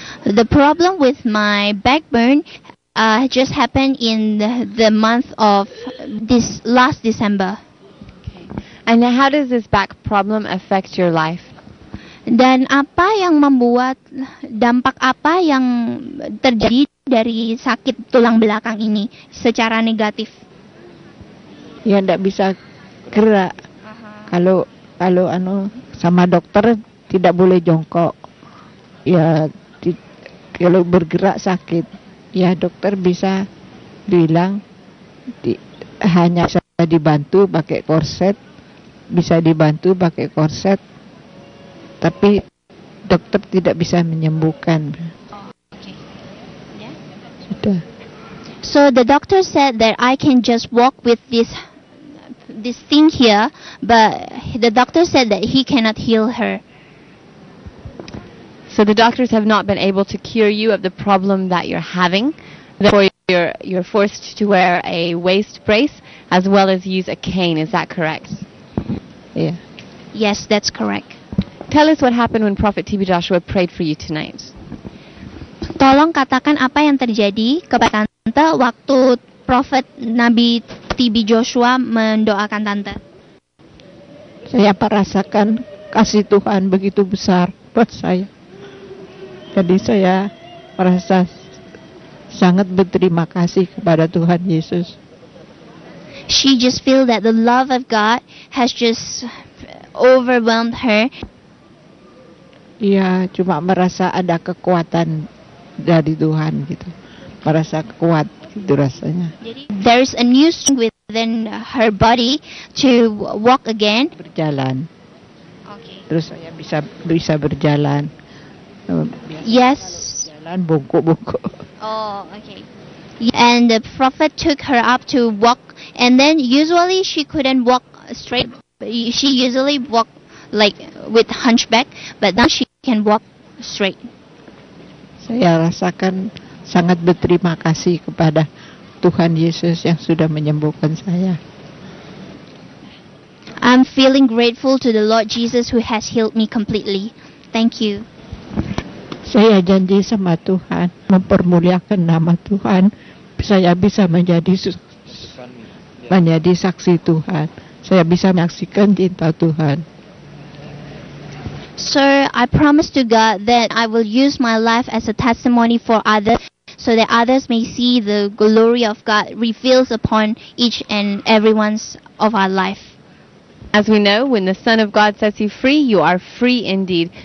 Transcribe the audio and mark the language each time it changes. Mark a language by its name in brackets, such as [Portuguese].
[English] The problem with my backbone just happened in the month of this last December. And how does this back problem affect your life? [Indonesian] Dan apa yang membuat dampak apa yang terjadi dari sakit tulang belakang ini secara negatif? Ya, enggak bisa gerak. Kalau sama dokter tidak boleh jongkok. Ya, kalau bergerak sakit. Ya, dokter bisa bilang hanya bisa dibantu pakai korset. Bisa dibantu pakai korset. Tapi dokter tidak bisa menyembuhkan. [English] So the doctor said that I can just walk with this thing here, but the doctor said that he cannot heal her. So the doctors have not been able to cure you of the problem that you're having. Therefore, you're forced to wear a waist brace as well as use a cane. Is that correct? Yeah. Yes, that's correct. Tell us what happened when Prophet TB Joshua prayed for you tonight. [Indonesian] Tolong katakan apa yang terjadi kepada tante waktu Prophet Nabi TB Joshua mendoakan tante. Saya merasakan kasih Tuhan begitu besar buat saya. Jadi saya merasa sangat berterima kasih kepada Tuhan Yesus. [English] She just feel that the love of God has just overwhelmed her. [Indonesian] Ya, cuma merasa ada kekuatan dari Tuhan gitu. Merasa kuat gitu rasanya. [English] There is a new strength within her body to walk again. [Indonesian] Berjalan. [English] Okay. [Indonesian] Terus saya bisa berjalan. [English] Yes. [Indonesian] Jalan bungkuk-bungkuk. [English] Oh, okay. And the prophet took her up to walk, and then usually she couldn't walk straight. She usually walk like with hunchback, but now she can walk straight. [Indonesian] Saya rasakan sangat berterima kasih kepada Tuhan Yesus yang sudah menyembuhkan saya. [English] I'm feeling grateful to the Lord Jesus who has healed me completely. Thank you. [Indonesian] Saya janji sama Tuhan, mempermuliakan nama Tuhan, saya bisa menjadi saksi Tuhan. Saya bisa menyaksikan cinta Tuhan. [English] Sir, I promise to God that I will use my life as a testimony for others so that others may see the glory of God reveals upon each and every one's of our life. As we know, when the Son of God sets you free, you are free indeed.